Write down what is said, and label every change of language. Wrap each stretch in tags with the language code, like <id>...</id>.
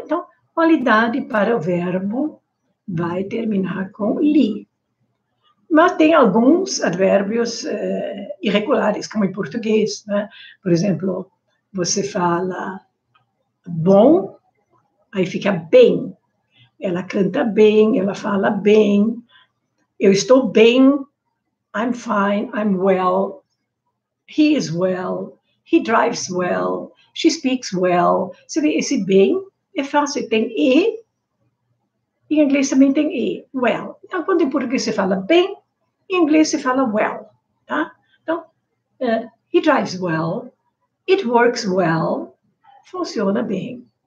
<pt>Então, qualidade para o verbo vai terminar com li. Mas tem alguns advérbios irregulares, como em português. Né? Por exemplo, você fala bom, aí fica bem. Ela canta bem, ela fala bem. Eu estou bem,</pt> <en>I'm fine, I'm well, he is well, he drives well, she speaks well.</en> <pt>Você vê, esse bem é fácil, tem e, em inglês também tem e, well. Então, quando em português você fala bem, em inglês você fala well, tá?</pt> <en>Então, he drives well, it works well,</en> <pt>funciona bem.</pt>